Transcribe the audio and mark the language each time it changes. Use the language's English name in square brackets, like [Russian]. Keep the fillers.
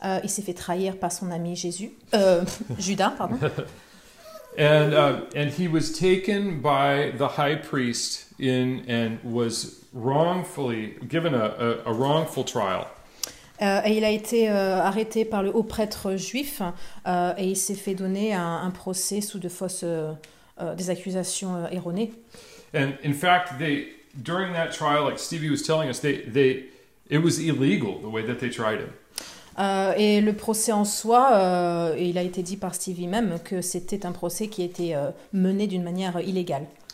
[French] s'est fait trahir par son ami Jésus, euh, Judas, pardon. [English] and uh, and he was taken by the high priest in and was wrongfully given a, a, a wrongful trial. [French] Uh, et il a été uh, arrêté par le haut prêtre juif uh, et il s'est fait donner un, un procès sous de fausses uh, des accusations uh, erronées. [English] And in fact, they, during that trial, like Stevie was telling us, they, they, it was illegal the way that they tried him. [French] Uh, et le procès en soi, uh, il a été dit par Stevie même que c'était un procès qui était été uh, mené d'une manière illégale.